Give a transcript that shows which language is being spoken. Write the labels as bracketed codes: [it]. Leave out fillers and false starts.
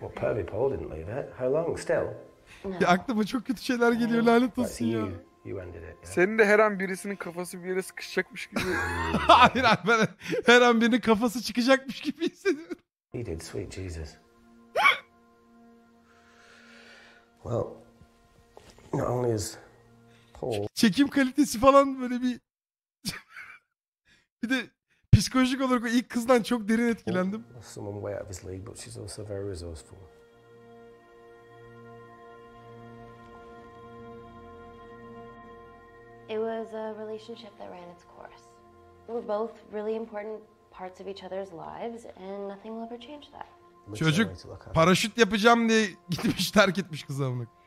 [en] Well, Pervy Paul didn't leave it. How long? Still? No. [tr] Ya aklıma çok kötü şeyler geliyor, lanet olsun ya. [en] You, [tr] Senin de her an birisinin kafası bir yere sıkışacakmış gibi. Hayır, ben her an birinin kafası çıkacakmış gibi hissediyorum. [en] He did, sweet Jesus. Well, not only is Paul... [tr] Çekim kalitesi falan böyle bir... bir de psikolojik olarak ilk kızdan çok derin etkilendim. [en] Someone way out of his league, but she's also very resourceful. It was a relationship that ran its course. We were both really important parts of each other's lives and nothing will ever change that. [tr] Çocuk paraşüt yapacağım diye gitmiş, terk etmiş kız amına.